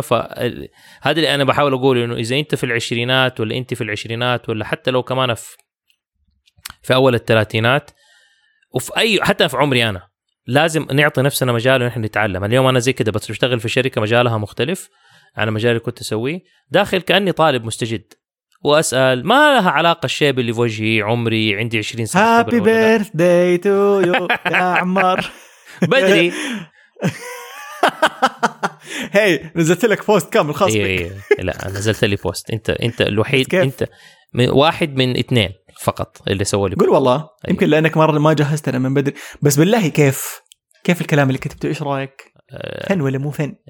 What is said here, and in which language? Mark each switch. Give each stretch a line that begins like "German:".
Arabic: فهذا اللي أنا بحاول أقوله، إنه إذا أنت في العشرينات ولا أنت في العشرينات ولا حتى لو كمان في أول الثلاثينات وفي أي حتى في عمري أنا، لازم نعطي نفسنا مجال ونحن نتعلم. اليوم أنا زي كده بشتغل في شركة مجالها مختلف عن المجال اللي كنت أسويه، داخل كأني طالب مستجد وأسأل ما لها علاقة الشيء باللي في وجهي عمري عندي 20 سنة.
English: Happy birthday to you
Arabic: يا عمر. بدري. هاي نزلت لك بوست كامل خاص بك. لا نزلت لي بوست. أنت الوحيد. أنت من واحد من اثنين فقط اللي سوى لي. قول والله. يمكن لأنك مرة ما جهزت أنا من بدري. بس بالله كيف الكلام اللي كتبته إيش رأيك؟ فن ولا مو فن؟